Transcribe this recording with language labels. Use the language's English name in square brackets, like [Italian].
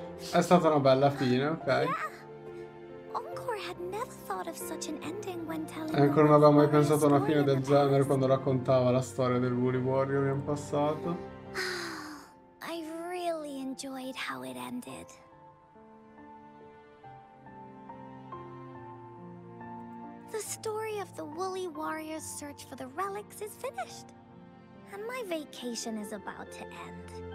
[Italian] È stata una bella fine, ok. [English] Encore had never thought of such an ending when telling. [Italian] Ancora non avevo mai pensato a una fine del genere quando raccontava la storia del Woolly Warrior in passato. [English] I really enjoyed how it ended. The story of the Woolly Warrior's search for the relics is finished. And my vacation is about to end.